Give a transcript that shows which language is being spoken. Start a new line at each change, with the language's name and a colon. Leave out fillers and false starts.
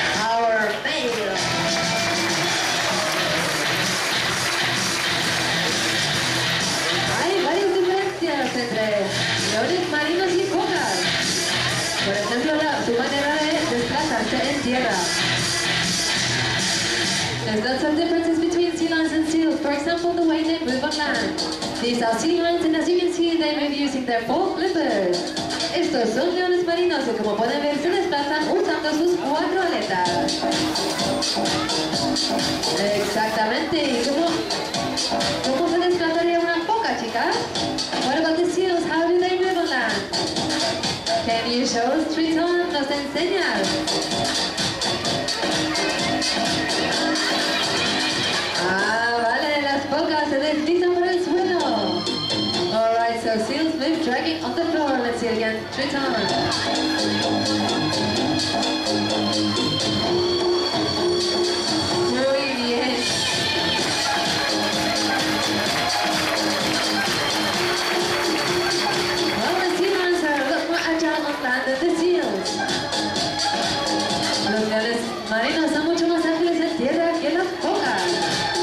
Spanish: Our fail. Hay varias diferencias entre leones marinos y focas. Por ejemplo, su manera de desplazarse en tierra.
English: There's lots of differences between sea lions and seals. For example, the way they move on land. These are sea lions, and as you can see, they move using their four flippers.
Spanish: Estos son leones marinos y como pueden ver se desplazan usando sus cuatro aletas. Exactamente. ¿Y cómo se desplazaría una foca, chicas?
English: What about the seals? How do they move on land? Can you show us, Triton?
Spanish: ¿Nos enseñas? Ah, vale, las focas se deslizan por el suelo.
English: Alright, so seals move dragging on the floor. Let's see again. Triton.
Spanish: Muy bien.
English: Well, the sea lions are a lot more agile on land than the seals.
Spanish: Los leones marinos son mucho más ágiles en tierra que las focas.